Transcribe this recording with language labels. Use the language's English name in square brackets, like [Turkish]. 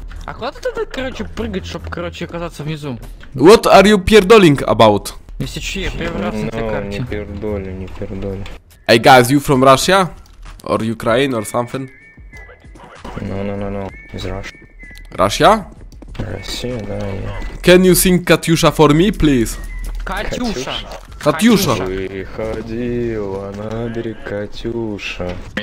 [Russian] А куда ты, короче, прыгать, чтобы, короче, оказаться внизу? [English] What are you pierdoling about? [Russian] Если чё, я первый раз на этой карте. Не пердолю, не пердолю. [English] Hey guys, you from Russia? Or Ukraine or something? No. [Russian] Из [English] Russia. Russia? [Russian] Россия, да, я. [English] Can you sing Катюша for me, please? [Russian] Катюша! Катюша! Выходила на берег Катюша.